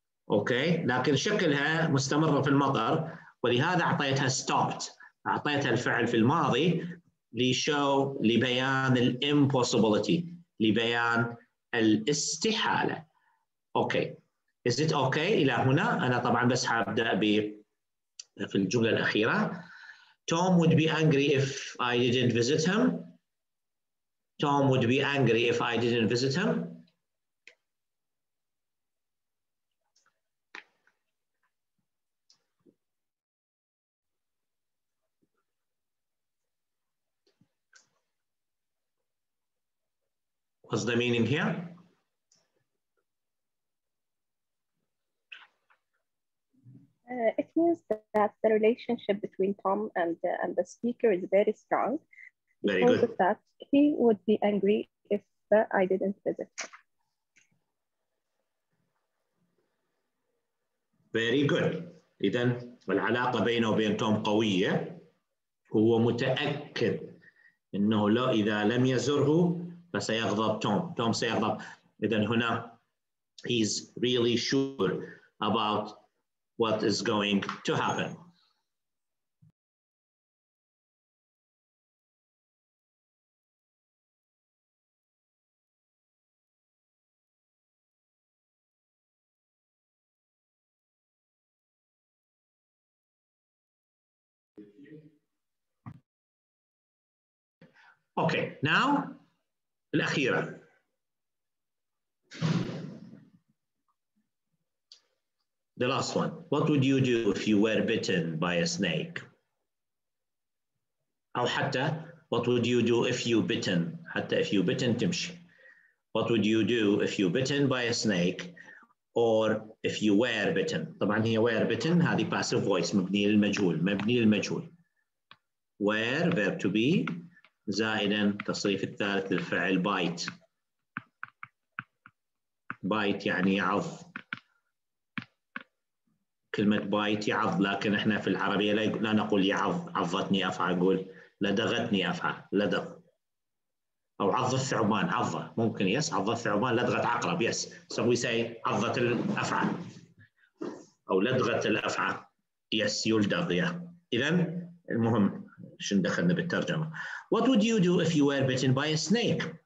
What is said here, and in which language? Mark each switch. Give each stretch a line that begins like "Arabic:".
Arabic: أوكي؟ لكن شكلها مستمرة في المطر، ولهذا أعطيتها stopped، أعطيتها الفعل في الماضي لشو لبيان الـ impossibility، لبيان الاستحالة. أوكي.
English: Is it okay
Arabic: إلى هنا؟ أنا طبعاً بس هبدأ في الجملة الأخيرة.
English: Tom would be angry if I didn't visit him. Tom would be angry if I didn't visit him. What's the meaning here? It means that the relationship between Tom and the speaker is very strong. Very good. Because of that, he would be angry if I didn't visit him. Very good.
Arabic: إذن العلاقة بينه وبين توم قوية. هو متأكد إنه لا إذا لم يزره فسيغضب توم. توم سيغضب. إذن هنا
English: he's really sure about what is going to happen. Okay, now,
Arabic: الأخيرة.
English: The last one. What would you do if you were bitten by a snake?
Arabic: أو حتى,
English: what would you do if you bitten?
Arabic: حتى
English: if you bitten,
Arabic: تمشي.
English: What would you do if you bitten by a snake or if you were bitten?
Arabic: طبعاً هي were bitten, هذه passive voice, مبني للمجهول, مبني للمجهول.
English: Were, verb to be.
Arabic: زائداً تصريف الثالث للفعل bite. Bite يعني يعض. كلمة bite يعض لكن احنا في العربية لا نقول يعض عضتني أفعى أقول لدغتني أفعى لدغ. أو عض الثعبان عضة ممكن يس عض الثعبان لدغت عقرب يس.
English: So we say
Arabic: عضت الأفعى. أو لدغت الأفعى. يس يلدغ يا. إذن المهم شن دخلنا بالترجمة.
English: What would you do if you were bitten by a snake?